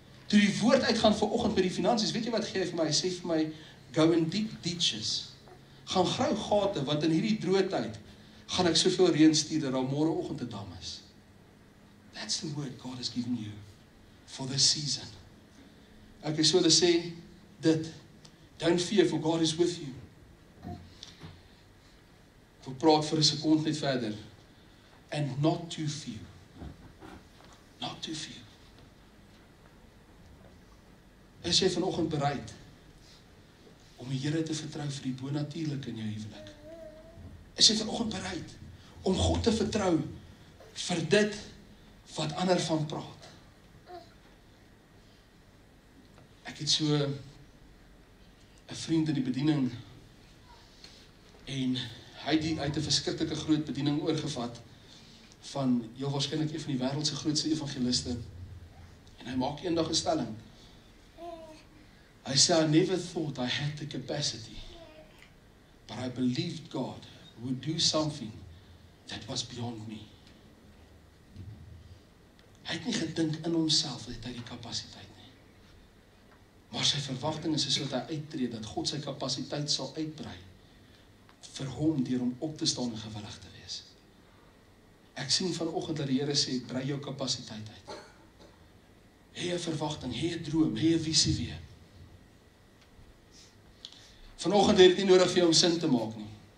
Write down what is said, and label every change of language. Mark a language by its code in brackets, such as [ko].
[af] Toe die woord uitgaan vir oggend by die finansies, weet jy wat gee hy vir my? Hy sê vir my, [en] go in deep ditches. [af] Gaan grou gate, want in hierdie droë tyd, gaan ek soveel reën stuur dat daar môre oggend 'n dam is. [en] That's the word God has given you for this season. [af] Ek is so te sê, dit, [en] don't fear for God is with you. [af] Ek praat vir 'n sekond net verder. [en] And not too few. [af] Not too few. Is jy vanoggend bereid om die Here te vertrou vir die bonatuurlike in jou huwelik? Is jy vanoggend bereid om God te vertrou vir dit wat ander van praat? Ek het so 'n vriend in die bediening en hy het 'n verskriklike groot bediening oorgevat van heel waarschijnlijk een van die wereldse grootste evangeliste, en hy maak een dag een stelling. Hy sê, [en] I never thought I had the capacity, but I believed God would do something that was beyond me. [af] Hy het nie gedink in homself dat hy die kapasiteit nie, maar sy verwagting is dat hy uittree, dat God sy kapasiteit sal uitbrei vir hom deur om op te staan en gewillig te wees. Ek sien vanoggend dat die Here sê, brei jou kapasiteit uit. Hê 'n verwagting, hê 'n droom, hê 'n visie weer. Vanoggend het jy nie nodig vir jou om sin te maak nie.